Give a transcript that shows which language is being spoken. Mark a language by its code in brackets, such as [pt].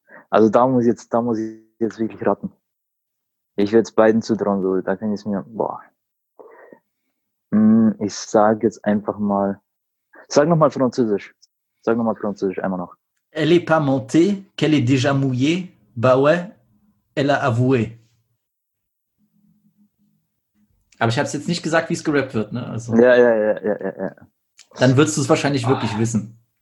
[de] Also da muss ich jetzt wirklich raten. Ich würde es beiden zutrauen, so. Da kann ich es mir. Boah. Ich sage jetzt einfach mal. Sag nochmal Französisch, einmal noch. [fr] Elle est pas montée, qu'elle est déjà mouillée, bah ouais, elle a avoué. [de] Aber ich habe es jetzt nicht gesagt, wie es gerappt wird. Ne? Also, ja. Dann würdest du es wahrscheinlich wirklich wissen.